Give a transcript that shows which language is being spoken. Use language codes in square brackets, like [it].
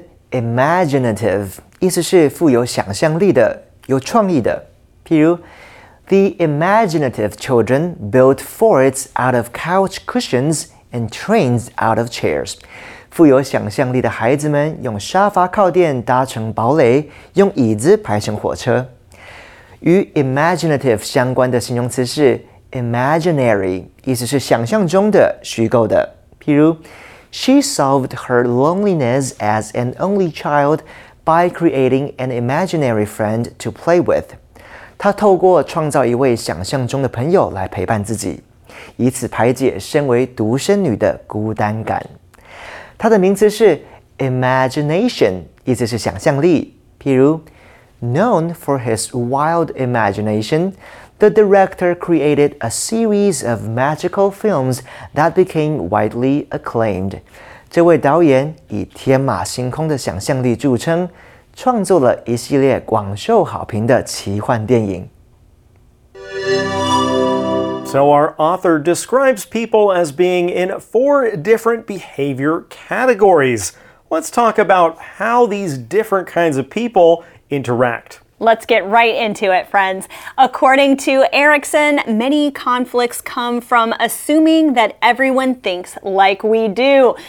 [en] Imaginative, [zh] 意思是富有想象力的, 譬如, [en] the imaginative children built forts out of couch cushions and trains out of chairs. [zh] 富有想象力的孩子们用沙发靠垫搭成堡垒，用椅子排成火车。与imaginative相关的形容词是 imaginary, 意思是想象中的、虚构的。譬如, [en] She solved her loneliness as an only child by creating an imaginary friend to play with. [zh] 她透过创造一位想象中的朋友来陪伴自己，以此排解身为独生女的孤单感。她的名字是 imagination, 意思是想象力。譬如 [en] known for his wild imagination, the director created a series of magical films that became widely acclaimed. [zh] 这位导演以天马行空的想象力著称，创作了一系列广受好评的奇幻电影。 [en] So our author describes people as being in four different behavior categories. Let's talk about how these different kinds of people interact. Let's get right into it, friends. According to Erickson, many conflicts come from assuming that everyone thinks like we do.